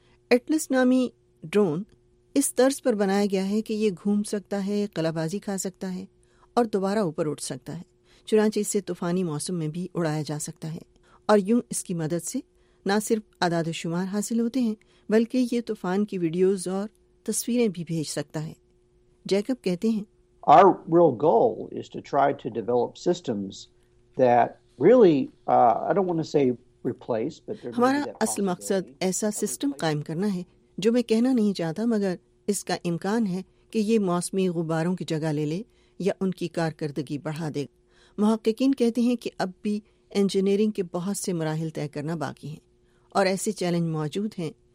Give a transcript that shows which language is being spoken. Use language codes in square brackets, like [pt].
[ur] Atlas نامی drone اس طرز پر بنایا گیا ہے کہ یہ گھوم سکتا ہے، قلعہ بازی کھا سکتا ہے اور دوبارہ اوپر اٹھ سکتا ہے، چنانچہ اسے طوفانی موسم میں بھی اڑایا جا سکتا ہے، اور یوں اس کی مدد سے نہ صرف اعداد و شمار حاصل ہوتے ہیں بلکہ یہ طوفان کی ویڈیوز اور تصویریں بھی بھیج سکتا ہے۔ جیکب کہتے ہیں [en] Our real goal is to try to develop systems that really, I don't want to say replace, but there [ur] ہمارا اصل مقصد ایسا سسٹم قائم کرنا ہے جو میں کہنا نہیں چاہتا مگر اس کا امکان ہے کہ یہ موسمی غباروں کی جگہ لے لے یا ان کی کارکردگی بڑھا دے گا۔ محققین کہتے ہیں کہ اب بھی انجینئرنگ کے بہت سے مراحل طے کرنا باقی ہیں اور ایسے چیلنج موجود ہیں